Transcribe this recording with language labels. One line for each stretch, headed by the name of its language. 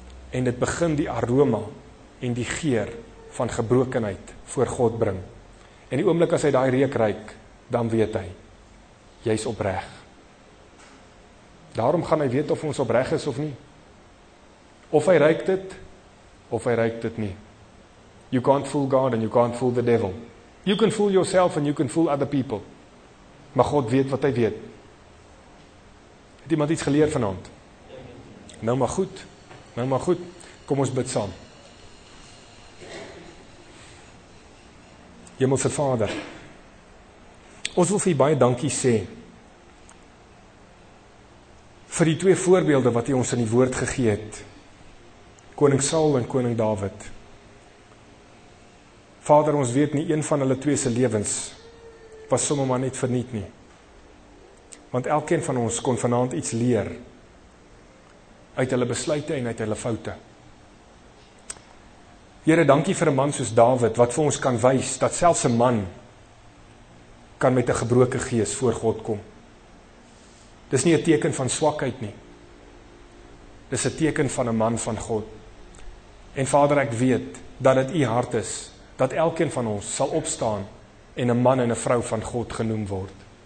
Afrikaans: En dit begin die aroma en die geur van gebrokenheid voor God bring. En die oomblik as hy daai reuk ruik, dan weet hy, jy's opreg. Daarom gaan hy weet of ons opreg is of nie. Of hy ruik dit, of hy ruik dit nie.
English: You can't fool God and you can't fool the devil. You can fool yourself and you can fool other people.
Afrikaans: Maar God weet wat hy weet. Het iemand iets geleer vanavond? Nou maar goed. Kom ons bid saam. Hemelse Vader, ons wil vir jy baie dankie sê vir die twee voorbeelde wat jy ons in die woord gegee het. Koning Saul en koning David. Vader, ons weet nie een van hulle twee se lewens was sommer maar net verniet nie. Want elkeen van ons kon vanaand iets leer uit hulle besluite en uit hulle foute. Here, dankie vir 'n man soos David wat vir ons kan wys dat selfs 'n man kan met 'n gebroke gees voor God kom. Dis nie 'n teken van swakheid nie. Dis 'n teken van 'n man van God. En Vader, ek weet dat dit U hart is dat elkeen van ons sal opstaan en 'n man en 'n vrou van God genoem word.